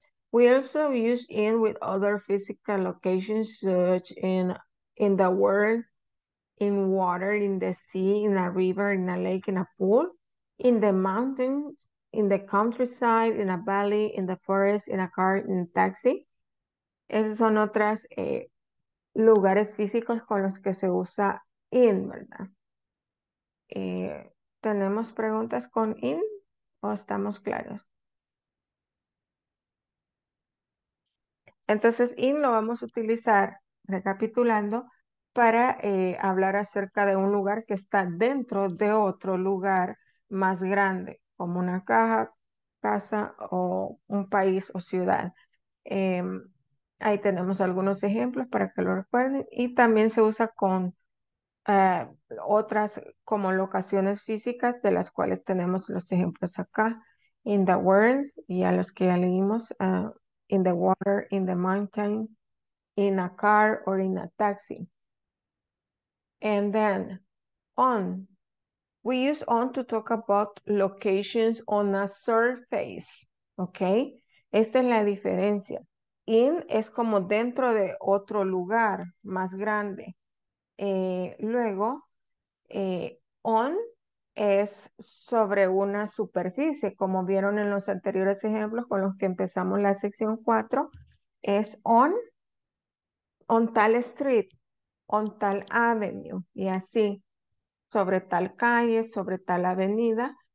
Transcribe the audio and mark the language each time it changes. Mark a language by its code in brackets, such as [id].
[en] We also use in with other physical locations, such in the world, in water, in the sea, in a river, in a lake, in a pool, in the mountains, in the countryside, in a valley, in the forest, in a car, in a taxi. [es] Esas son otras lugares físicos con los que se usa in, ¿verdad? ¿Tenemos preguntas con in o estamos claros? Entonces, in lo vamos a utilizar, recapitulando, para hablar acerca de un lugar que está dentro de otro lugar más grande, como una caja, casa o un país o ciudad. Ahí tenemos algunos ejemplos para que lo recuerden y también se usa con otras como locaciones físicas de las cuales tenemos los ejemplos acá, [en] in the world [es] y a los que ya leímos, [en] in the water, in the mountains, in a car or in a taxi. And then on. We use on to talk about locations on a surface. [es] Okay. Esta es la diferencia. In es como dentro de otro lugar más grande. Luego, on es sobre una superficie, como vieron en los anteriores ejemplos con los que empezamos la sección 4, es on tal street, on tal avenue, y así, sobre tal calle, sobre tal avenida.